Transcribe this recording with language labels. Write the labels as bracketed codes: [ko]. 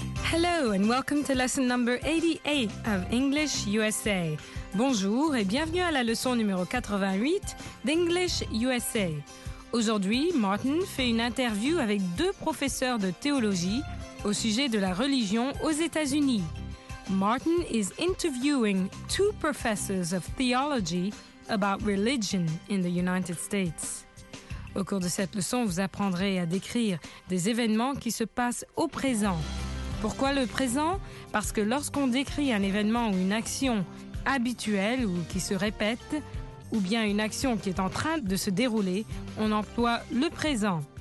[en] Hello and welcome to lesson number 88 of English USA. [fr] Bonjour et bienvenue à la leçon numéro 88 d'English USA. Aujourd'hui, Martin fait une interview avec deux professeurs de théologie au sujet de la religion aux États-Unis. [en] Martin is interviewing two professors of theology about religion in the United States. [fr] Au cours de cette leçon, vous apprendrez à décrire des événements qui se passent au présent. Pourquoi le présent? Parce que lorsqu'on décrit un événement ou une action habituelle ou qui se répète, ou bien une action qui est en train de se dérouler, on emploie le présent.